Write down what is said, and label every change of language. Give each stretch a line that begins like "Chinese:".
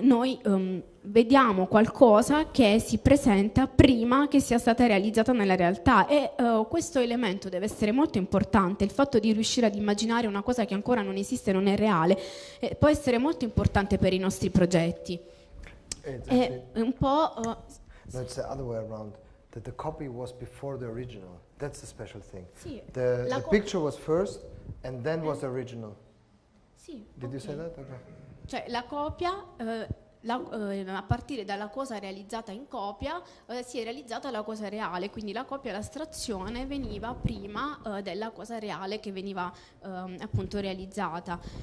Italian: Noi vediamo qualcosa che si presenta prima che sia stata realizzata nella realtà, e questo elemento deve essere molto importante, il fatto di riuscire ad immaginare una cosa che ancora non esiste, non è reale, può essere molto importante per i nostri progetti. Esatto. È un po'...
English: No, it's the other way around, that the copy was before the original, that's the special thing.
Italian: Sì,
English: the picture was first and then was the original.
Italian: Sì.
English: Did you say that? Okay.
Italian: Cioè, la copia... a partire dalla cosa realizzata in copia si è realizzata la cosa reale, quindi la copia, l'astrazione veniva prima della cosa reale che veniva appunto realizzata.